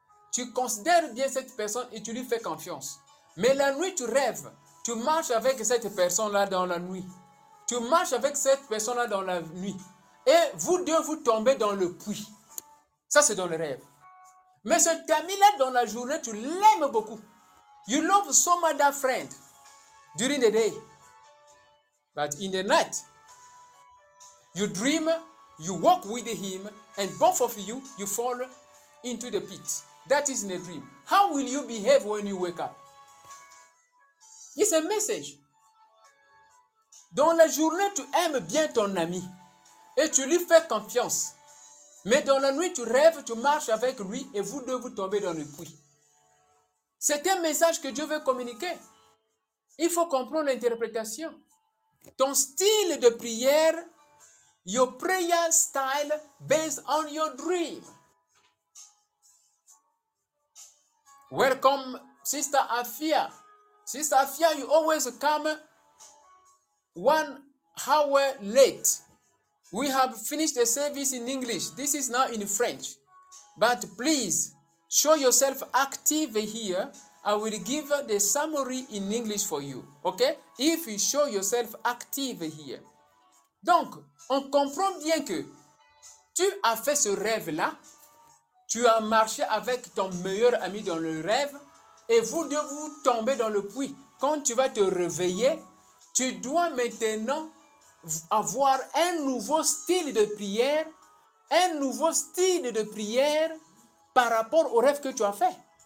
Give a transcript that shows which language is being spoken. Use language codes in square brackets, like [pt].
[fr] Tu considères bien cette personne et tu lui fais confiance. Mais la nuit, tu rêves. Tu marches avec cette personne-là dans la nuit. Tu marches avec cette personne-là dans la nuit. Et vous deux, vous tombez dans le puits. Ça, c'est dans le rêve. Mais cet ami-là, dans la journée, tu l'aimes beaucoup. [en] You love some other friend during the day. But in the night, you dream, you walk with him, and both of you, you fall into the pit. That is in a dream. How will you behave when you wake up? It's a message. [fr] Dans la journée, tu aimes bien ton ami et tu lui fais confiance. Mais dans la nuit, tu rêves, tu marches avec lui et vous deux, vous tombez dans le puits. C'est un message que Dieu veut communiquer. Il faut comprendre l'interprétation. Ton style de prière, [en] your prayer style based on your dream. Welcome, Sister Afia. Sister Afia, you always come 1 hour late. We have finished the service in English. This is now in French. But please, show yourself active here. I will give the summary in English for you. Okay? If you show yourself active here. [fr] Donc, on comprend bien que tu as fait ce rêve-là. Tu as marché avec ton meilleur ami dans le rêve et vous deux vous tombez dans le puits. Quand tu vas te réveiller, tu dois maintenant avoir un nouveau style de prière, un nouveau style de prière par rapport au rêve que tu as fait.